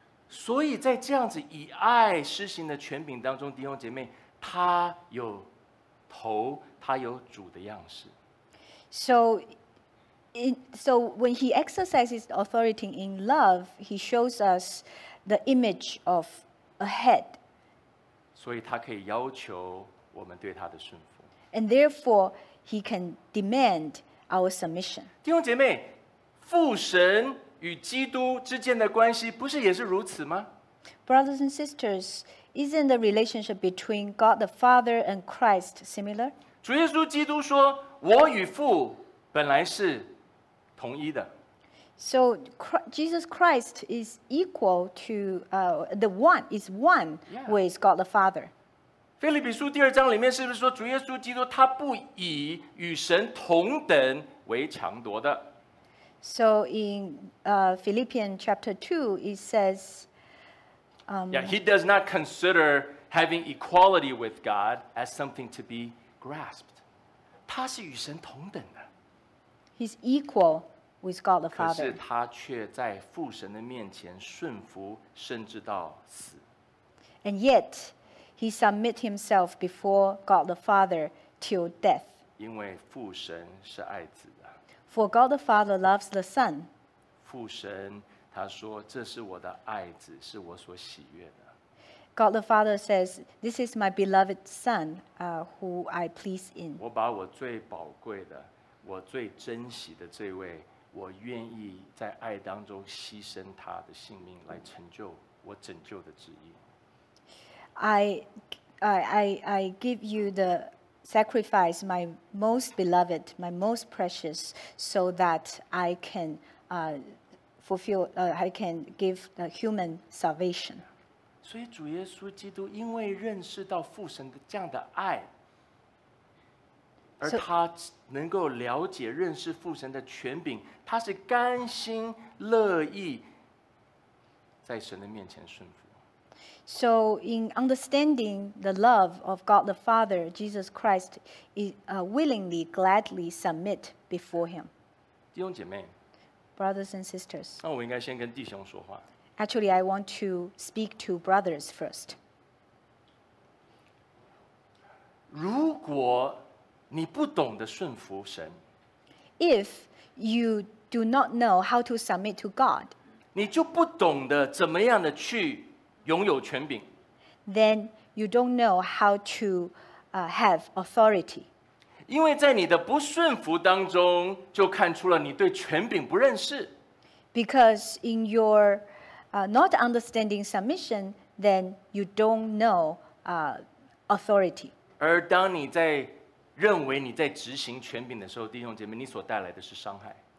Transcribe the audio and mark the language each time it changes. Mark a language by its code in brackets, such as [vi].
[zh] 所以在这样子以爱施行的权柄当中，弟兄姐妹，他有头，他有主的样式。 [en] So when he exercises authority in love, he shows us the image of a head. [zh] 所以他可以要求我们对他的顺服。 [en] And therefore, he can demand our submission. [zh] 弟兄姐妹，父神与基督之间的关系不是也是如此吗？ [en] Brothers and sisters, isn't the relationship between God the Father and Christ similar? [zh] 主耶稣基督说，我与父本来是同一的。 [en] So Jesus Christ is equal to the one, is one with God the Father. [zh] 腓立比书第二章里面是不是说，主耶稣基督他不以与神同等为强夺的？ [en] So in Philippians chapter 2, it says, He does not consider having equality with God as something to be grasped. [zh] 他是与神同等的。 [en] He's equal with God the Father. [zh] 可是他却在父神的面前顺服，甚至到死。 [en] And yet, he submit himself before God the Father till death. [zh] 因为父神是爱子。 [en] For God the Father loves the Son. [zh] 父神他说，这是我的爱子，是我所喜悦的。 [en] God the Father says, this is my beloved Son, who I please in. [zh] 我把我最宝贵的，我最珍惜的这位，我愿意在爱当中牺牲他的性命来成就我拯救的旨意。 [en] I give you the sacrifice my most beloved, my most precious, so that I can I can give the human salvation. [zh] 所以主耶稣基督因为认识到父神的这样的爱，而他能够了解认识父神的权柄，他是甘心乐意在神的面前顺服。 [en] So in understanding the love of God the Father, Jesus Christ willingly, gladly submit before him. [zh] 弟兄姐妹， [en] Brothers and sisters. [zh] 那我应该先跟弟兄说话。 [en] Actually, I want to speak to brothers first. [zh] 如果你不懂得顺服神， [en] If you do not know how to submit to God, [zh] 你就不懂得怎么样的去拥有权柄。 [en] Then you don't know how to have authority. [zh] 因为在你的不顺服当中，就看出了你对权柄不认识。 [en] Because in your not understanding submission, then you don't know authority. [zh] 而当你在认为你在执行权柄的时候，弟兄姐妹，你所带来的是伤害。